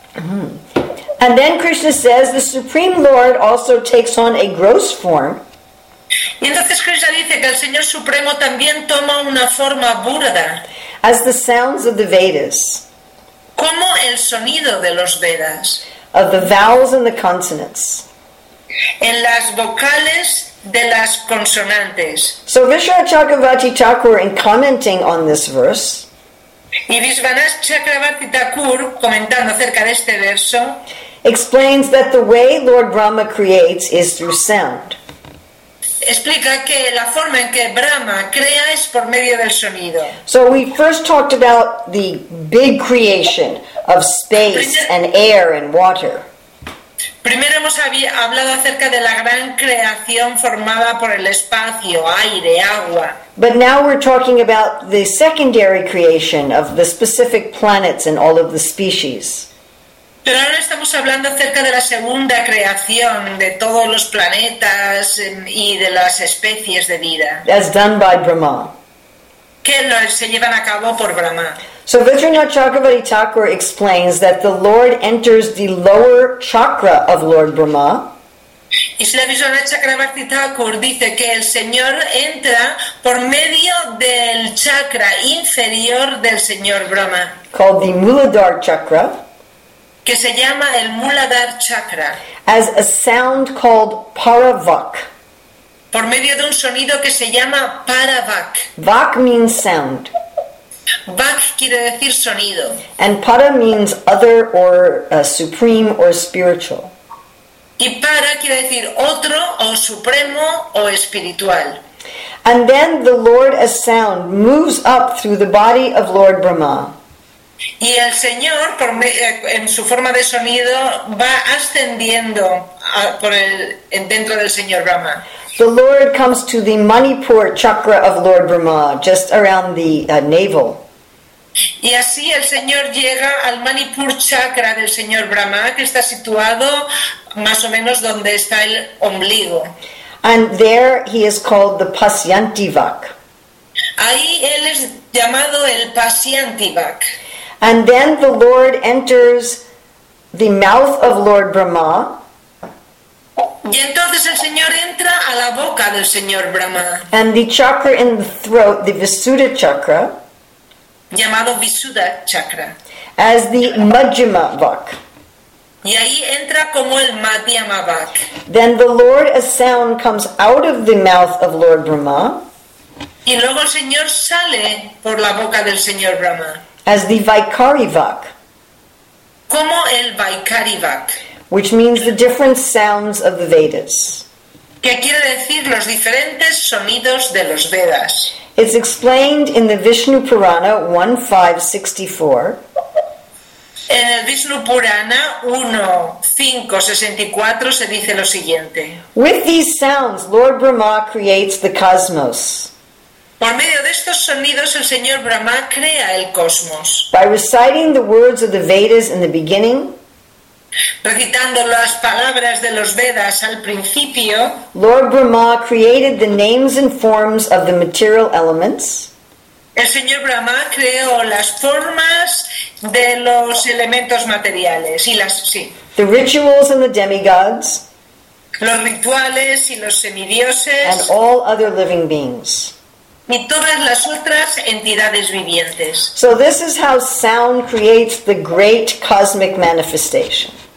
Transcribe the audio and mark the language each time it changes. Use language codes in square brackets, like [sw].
[en] Mm. And then Krishna says, the Supreme Lord also takes on a gross form. [es] Y entonces Krishna dice que el Señor Supremo también toma una forma burda. [en] As the sounds of the Vedas. [es] Como el sonido de los Vedas. [en] Of the vowels and the consonants. [es] En las vocales de las consonantes. [en] So Vishwanatha Chakravarti Thakur, in commenting on this verse. [es] Y Vishwanatha Chakravarti Thakur, comentando acerca de este verso. [en] Explains that the way Lord Brahma creates is through sound. [es] Explica que la forma en que Brahma crea es por medio del sonido. [en] So we first talked about the big creation of space and air and water. [es] Primero hemos hablado acerca de la gran creación formada por el espacio, aire, agua. [en] But now we're talking about the secondary creation of the specific planets and all of the species. [es] Pero ahora estamos hablando acerca de la segunda creación de todos los planetas y de las especies de vida. [en] As done by Brahma. [es] Que se llevan a cabo por Brahma. [en] So Vishwanatha Chakravarti Thakur explains that the Lord enters the lower chakra of Lord Brahma. [es] Y Srila Vishwanatha Chakravarti Thakur dice que el Señor entra por medio del chakra inferior del Señor Brahma. [en] Called the Muladhar Chakra. [es] Que se llama el Muladhar Chakra. [en] As a sound called Paravak. [es] Por medio de un sonido que se llama Paravak. [en] Vak means sound. [es] Vak quiere decir sonido. [en] And para means other or supreme or spiritual. [es] Y para quiere decir otro o supremo o espiritual. [en] And then the Lord as sound moves up through the body of Lord Brahma. [es] Y el Señor, en su forma de sonido, va ascendiendo dentro del Señor Brahma. [en] The Lord comes to the Manipur chakra of Lord Brahma, just around the navel. [es] Y así el Señor llega al Manipur chakra del Señor Brahma, que está situado más o menos donde está el ombligo. [en] And there he is called the Pasyantivak. [es] Ahí él es llamado el Pasyantivak. [en] And then the Lord enters the mouth of Lord Brahma. [es] Y entonces el Señor entra a la boca del Señor Brahma. [en] And the chakra in the throat, the Visuddha chakra, [es] llamado Visuddha chakra, [en] as the Majjhima vak. [es] Y ahí entra como el Madhyama vak. [en] Then the Lord, a sound, comes out of the mouth of Lord Brahma. [es] Y luego el Señor sale por la boca del Señor Brahma. [en] As the Vaikari vak. [es] Como el Vaikari vak. [en] Which means the different sounds of the Vedas. [es] ¿Qué quiere decir los diferentes sonidos de los Vedas? [en] It's explained in the Vishnu Purana 1.5.64. [es] En el Vishnu Purana 1.5.64 se dice lo siguiente. [en] With these sounds, Lord Brahma creates the cosmos. [es] Por medio de estos sonidos, el Señor Brahma crea el cosmos. [en] By reciting the words of the Vedas in the beginning, [es] recitando las palabras de los Vedas al principio, [en] Lord Brahma created the names and forms of the material elements. [es] El Señor Brahma creó las formas de los elementos materiales y las sí. [en] The rituals and the demigods. [es] Los rituales y los semidioses. [en] And all other living beings. [es] Y todas las otras entidades vivientes. [en] So this is how sound creates the great cosmic manifestation.